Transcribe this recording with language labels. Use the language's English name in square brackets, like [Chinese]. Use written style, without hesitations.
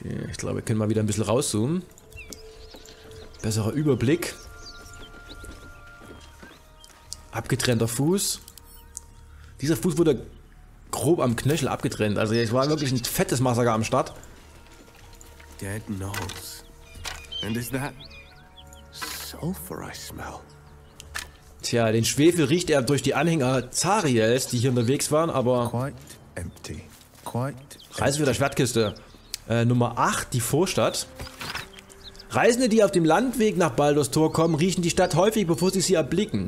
[German] Ich glaube, wir können mal wieder ein bisschen rauszoomen. Besserer Überblick. Abgetrennter Fuß. Dieser Fuß wurde grob am Knöchel abgetrennt. Also es war wirklich ein fettes Massaker am Start. [English] Dead nose. And is that sulfur I smell? [German] Tja, den Schwefel riecht er durch die Anhänger Zariels, die hier unterwegs waren, aber... [English] Quite empty. Quite empty. [German] Reise für die Schwertkiste. Nummer 8, die Vorstadt. Reisende, die auf dem Landweg nach Baldurs Tor kommen, riechen die Stadt häufig, bevor sie sie erblicken.